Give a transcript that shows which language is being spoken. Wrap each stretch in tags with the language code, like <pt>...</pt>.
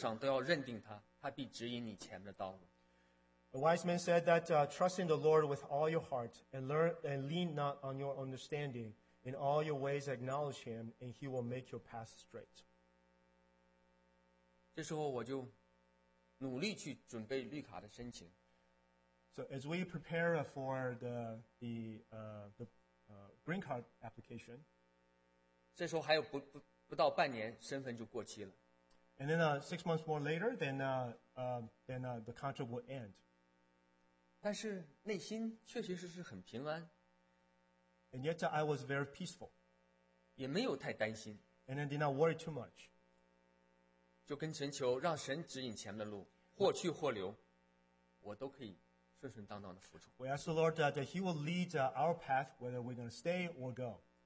<zh>就像箴言第三章第五节说的，你们要专心仰赖耶和华，不可倚靠自己的聪明，在你一切所行的事上都要认定他，他必指引你前面的道路。</zh> <en>The wise man said that trust in the Lord with all your heart and learn and lean not on your understanding. In all your ways, acknowledge him, and he will make your path straight.</en> <zh>这时候我就努力去准备绿卡的申请。</zh> <en>So as we prepare for the green card application,</en> <zh>这时候还有不到半年，身份就过期了。</zh> <en>And then 6 months more later, then the contract will end.</en> <zh>但是内心确确实实是很平安。</zh> <en>And yet I was very peaceful.</en> <zh>也没有太担心,</zh> <en>and I did not worry too much.</en> <zh>就跟神求，让神指引前面的路，或去或留, 我都可以顺顺当当的服从。</zh> <en>We ask the Lord that He will lead our path, whether we're going to stay or go.</en>